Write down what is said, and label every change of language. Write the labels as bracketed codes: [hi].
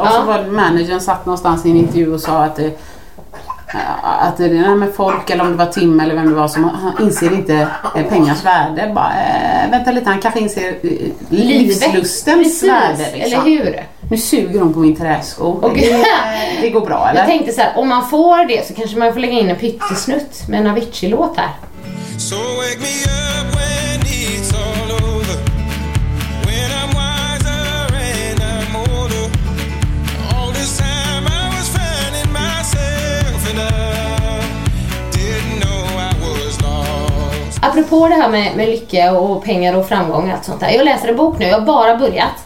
[sv] Och så var managern satt någonstans i en intervju och sa att det är med folk, eller om det var Tim eller vem det var, som han inser inte pengars värde. Bara, vänta lite, han kanske inser livslustens värde liksom. Eller hur? Nu suger hon på min träsko. Det går bra, eller? Jag tänkte så här, om man får det så kanske man får lägga in en pyttesnutt med en Avicii-låt här. [en] So wake me up when it's all over. When I'm wiser and I'm older. All this time I was finding myself and I didn't know I was lost. [sv] Apropå det här med lycka och pengar och framgång och allt sånt där. Jag läser en bok nu, jag har bara börjat.